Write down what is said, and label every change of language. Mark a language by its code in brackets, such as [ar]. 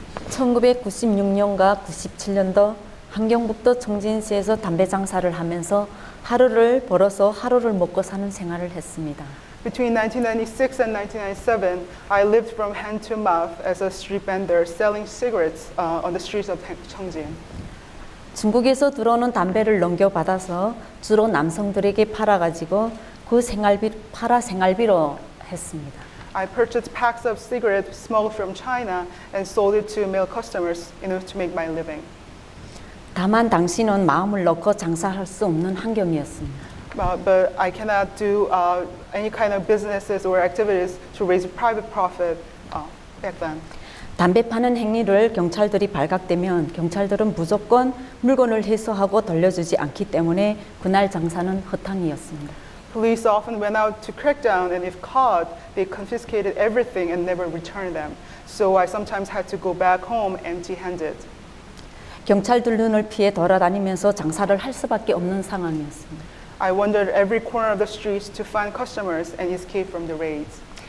[ko] 1996년과 97년도 함경북도 청진시에서 담배 장사를 하면서 하루를 벌어서 하루를 먹고 사는 생활을 했습니다. [en] Between 1996 and 1997, I lived from hand to mouth as a street vendor selling cigarettes on the streets of Chongjin. [ko] 중국에서 들어오는 담배를 넘겨받아서 주로 남성들에게 팔아가지고 그 생활비 팔아 생활비로 했습니다. [en] I purchased packs of cigarettes smuggled from China and sold it to male customers in order to make my living. [ko] 다만 당시는 마음을 놓고 장사할 수 없는 환경이었습니다. [en] But I cannot do any kind of businesses or activities to raise private profit back then. [ko] 담배 파는 행위를 경찰들이 발각되면 경찰들은 무조건 물건을 회수하고 돌려주지 않기 때문에 그날 장사는 허탕이었습니다. [en] Police often went out to crack down, and if caught, they confiscated everything and never returned them. So I sometimes had to go back home empty-handed. [ko] 경찰들 눈을 피해 돌아다니면서 장사를 할 수밖에 없는 상황이었습니다. [en] I wandered every corner of the streets to find customers and escape from the raids.